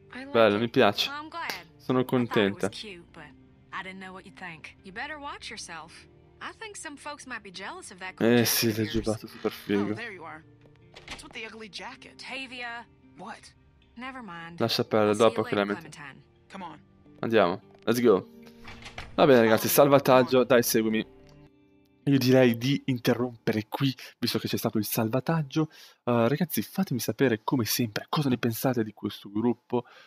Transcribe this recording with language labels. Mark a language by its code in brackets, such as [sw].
[it] Bello, mi piace. Sono contenta. [en] I didn't know what you'd think. You better watch yourself. I think some folks might be jealous of that. [it] Eh sì, l'hai giubbato super figo. [en] Oh, there you are. What's with the ugly jacket? Tavia. What? Never mind. [it] Lascia perdere, dopo che la metti. [en] Come on. [it] Andiamo. [en] Let's go. [it] Va bene ragazzi, salvataggio. Dai, seguimi. Io direi di interrompere qui, visto che c'è stato il salvataggio. Ragazzi, fatemi sapere, come sempre, cosa ne pensate di questo gruppo.